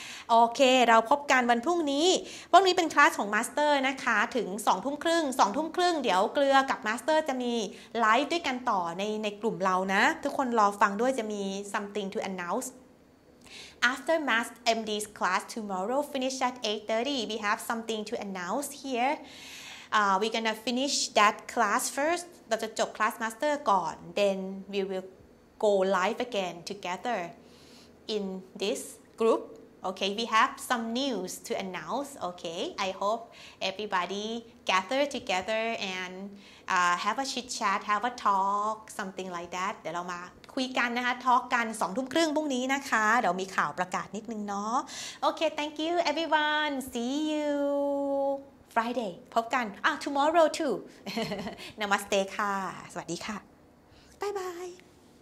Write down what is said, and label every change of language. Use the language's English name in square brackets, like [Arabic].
[Thai] โอเคเราพบกันวันพรุ่งนี้พรุ่งนี้เป็นคลาสของมาสเตอร์นะคะถึง2ทุ่มครึ่ง2ทุ่มครึ่งเดี๋ยวเกลือกับมาสเตอร์จะมีไลฟ์ด้วยกันต่อในกลุ่มเรานะทุกคนรอฟังด้วยจะมี [English] something to announce after mass MD's class tomorrow finish at 8:30 we have something to announce hereWe're gonna finish that class first. [Thai] เราจะจบคลาสมาสเตอร์ก่อน [English] Then we will go live again together in this group. Okay, we have some news to announce. Okay, I hope everybody gather together and have a chit chat, have a talk, something like that. [Thai] เดี๋ยวเรามาคุยกันนะคะทอล์กกัน2ทุ่มครึ่งพรุ่งนี้นะคะเดี๋ยวมีข่าวประกาศนิดนึงเนาะ [English] Okay, thank you everyone. See you. Friday [Thai] พบกัน [English] tomorrow too Namaste [Thai] ค่ะสวัสดีค่ะ [English] bye bye